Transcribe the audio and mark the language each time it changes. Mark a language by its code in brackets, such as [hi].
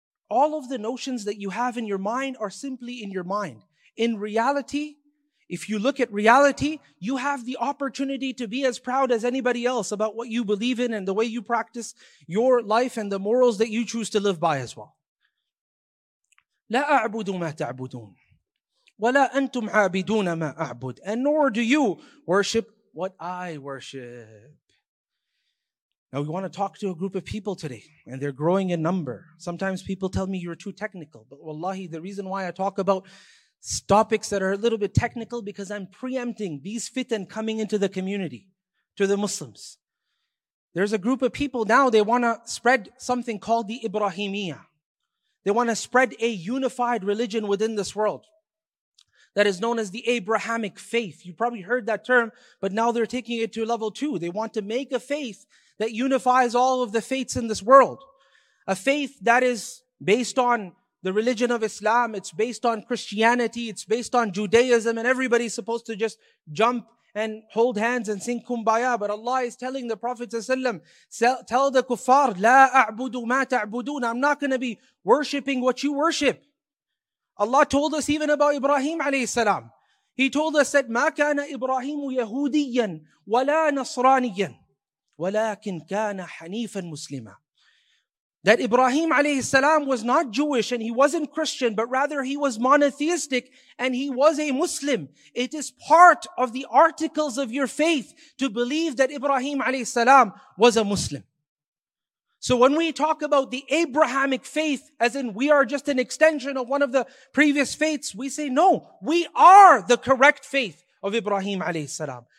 [en] All of the notions that you have in your mind are simply in your mind. In reality, if you look at reality, you have the opportunity to be as proud as anybody else about what you believe in and the way you practice your life and the morals that you choose to live by as well. [ar] لا أعبد ما تعبدون ولا أنتم عابدون ما أعبد. [en] And nor do you worship what I worship. Now we want to talk to a group of people today, and they're growing in number. Sometimes people tell me you're too technical, but wallahi, the reason why I talk about topics that are a little bit technical because I'm preempting these fitan coming into the community, to the Muslims. There's a group of people now, they want to spread something called the Ibrahimiyya. They want to spread a unified religion within this world that is known as the Abrahamic faith. You probably heard that term, but now they're taking it to level two. They want to make a faith that unifies all of the faiths in this world. A faith that is based on the religion of Islam, it's based on Christianity, it's based on Judaism, and everybody's supposed to just jump and hold hands and sing kumbaya. But Allah is telling the Prophet ﷺ, tell the kuffar, [ar] لا أعبد ما تعبدون. [en] I'm not going to be worshipping what you worship. Allah told us even about Ibrahim ﷺ. He told us that, [ar] ما كان إبراهيم يهوديا ولا نصرانيا ولكن كان حنيفا مسلما. [en] That Ibrahim alayhi salam was not Jewish and he wasn't Christian, but rather he was monotheistic and he was a Muslim. It is part of the articles of your faith to believe that Ibrahim alayhi salam was a Muslim. So when we talk about the Abrahamic faith, as in we are just an extension of one of the previous faiths, we say no, we are the correct faith of Ibrahim alayhi salam.